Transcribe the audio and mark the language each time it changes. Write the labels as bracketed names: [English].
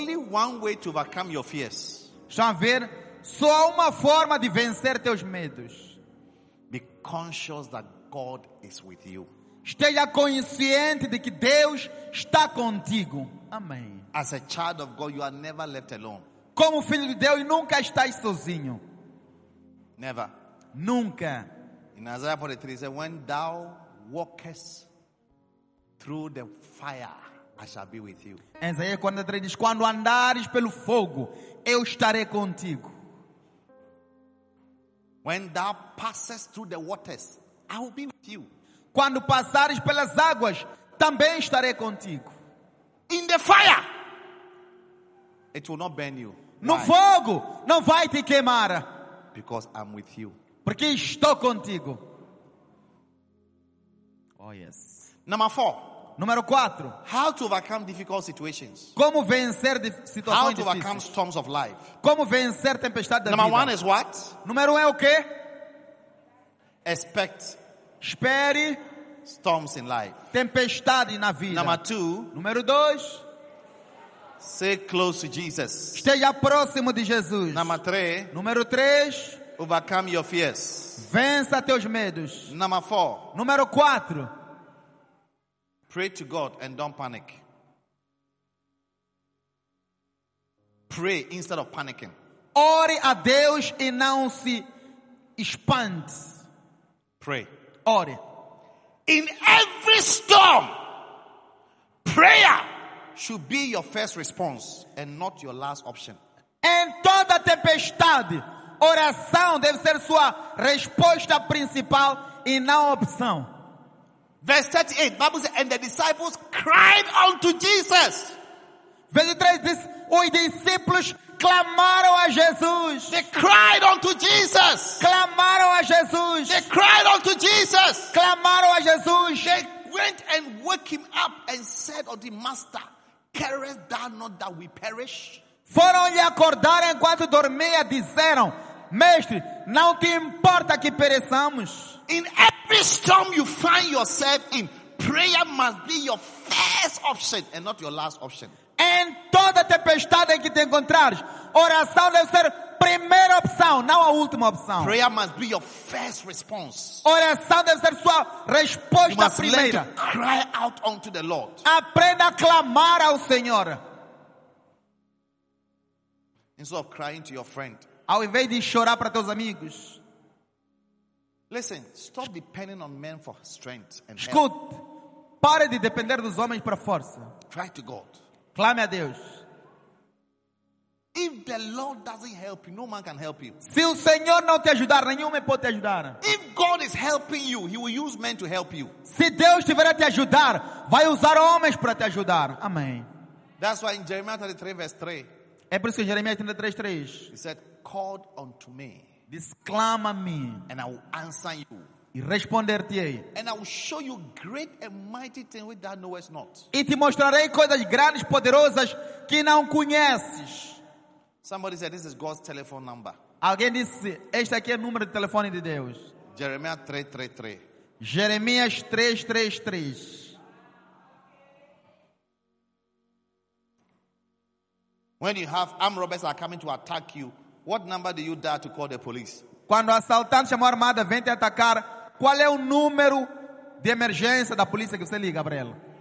[English] One way to overcome your fears. [Portuguese] Já ver, só há uma forma de vencer teus medos. [English] Be conscious that God is with you. [Portuguese] Esteja consciente de que Deus está contigo. Amém. [English] As a child of God, you are never left alone. [Portuguese] Como filho de Deus, nunca estás sozinho. [English] Never. [Portuguese] Nunca. [English] In Isaiah 43, it says, when thou walkest through the fire, I shall be with you. [Portuguese] Isaías 43 diz, quando andares pelo fogo, eu estarei contigo. [English] When thou passest through the waters, I will be with you. [Portuguese] Quando passares pelas águas, também estarei contigo. [English] In the fire, it will not burn you. [Portuguese] No fogo, não vai te queimar. [English] Because I'm with you. [Portuguese] Porque estou contigo. [English] Oh, yes. Number 4. [Portuguese] Número 4. [English] How to overcome difficult situations? [Portuguese] Como vencer situações difíceis? [English] How to overcome storms of life? [Portuguese] Como vencer tempestades da [English] Number [Portuguese] vida? [English] Number 1 is what? [Portuguese] Número 1 é o quê? [English] Expect. [Portuguese] Espere [English] storms in life. [Portuguese] Tempestade na vida. [English] Number 2. [Portuguese] Número 2. [English] Stay close to Jesus. [Portuguese] Esteja próximo de Jesus. [English] Number 3. [Portuguese] Número 3. [English] Overcome your fears. [Portuguese] Vença teus medos. [English] Number 4. [Portuguese] Número 4. [English] Pray to God and don't panic. Pray instead of panicking. [Portuguese] Ore a Deus e não se espante. [English] Pray. [Portuguese] Ore. [English] In every storm, prayer should be your first response and not your last option. [Portuguese] Em toda tempestade, oração deve ser sua resposta principal e não opção. [English] Verse 38, Bible says, and the disciples cried unto Jesus. Verse 38, [Portuguese] os discípulos clamaram a Jesus. [English] They cried unto Jesus. [Portuguese] Clamaram a Jesus. [English] They cried unto Jesus. [Portuguese] Clamaram a Jesus. [English] They went and woke him up and said unto him, Master, carest thou not that we perish? [Portuguese] Foram lhe acordar enquanto dormia, disseram, Mestre, não te importa que pereçamos? [English] In every storm you find yourself in, prayer must be your first option and not your last option. [Portuguese] Em toda tempestade que te encontrares, oração deve ser primeira opção, não a última opção. [English] Prayer must be your first response. [Portuguese] Oração deve ser sua resposta primeira. [English] You must learn to cry out unto the Lord. [Portuguese] Aprenda a clamar ao Senhor. [English] Instead of crying to your friend. [Portuguese] Ao invés de chorar para teus amigos. [English] Listen, stop depending on men for strength and help. [Portuguese] Escute, pare de depender dos homens para força. [English] Try to God. [Portuguese] Clame a Deus. [English] If the Lord doesn't help you, no man can help you. [Portuguese] Se o Senhor não te ajudar, nenhum homem pode te ajudar. [English] If God is helping you, he will use men to help you. [Portuguese] Se Deus estiver a te ajudar, vai usar homens para te ajudar. Amém. [English] That's why in Jeremiah 33 verse 3. [Portuguese] É por isso que em Jeremias 33, 3. [English] He said, call unto me. [Portuguese] Diz, clama-me. [English] And I will answer you. [Portuguese] E responder-te-ei. [English] And I will show you great and mighty things which thou knowest not. [Portuguese] E te mostrarei coisas grandes, poderosas que não conheces. [English] Somebody said this is God's telephone number. [Portuguese] Alguém disse, este aqui é o número de telefone de Deus. [English] Jeremiah 333. [Portuguese] Jeremias 333. [English] When you have armed robbers are coming to attack you, what number do you dial to call the police? [Portuguese] Quando assaltante chamou armada vem te atacar, qual é o número de emergência da polícia que você liga, Gabriel?